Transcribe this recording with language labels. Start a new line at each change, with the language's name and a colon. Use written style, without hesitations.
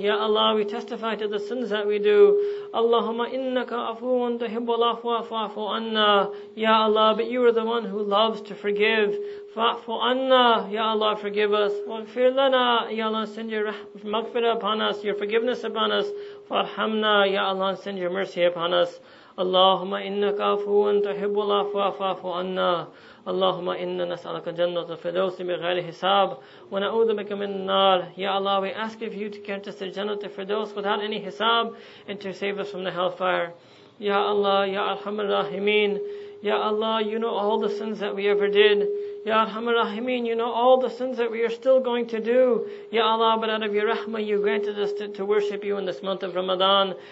English: Ya Allah, we testify to the sins that we do.
Arabic: اللهم إنك عفوٌ تحب العفو فاعف عنا.
English: Ya Allah, but you are the one who loves to forgive.
Arabic: فاعف عنا.
English: Ya Allah, forgive us.
Arabic: وَغْفِرْ لَنَا.
English: Ya Allah, send your maghfirah upon us, your forgiveness upon us.
Arabic: فَارْحَمْنَا.
English: Ya Allah, send your mercy upon us.
Arabic: اللهم إنك عفوٌ تحب العفو فاعف عنا. اللهم إنا نسألك الجنة الفردوس بغير حساب ونعوذ بك من النار.
English: Ya Allah, we ask of you to grant us the Jannah al-Firdaus without any hisab and to save us from the hellfire. Ya Allah, Ya Arhamar Rahimin. Ya Allah, you know all the sins that we ever did. Ya Arhamar Rahimin, you know all the sins that we are still going to do. Ya Allah, but out of your rahmah, you granted us to worship you in this month of Ramadan.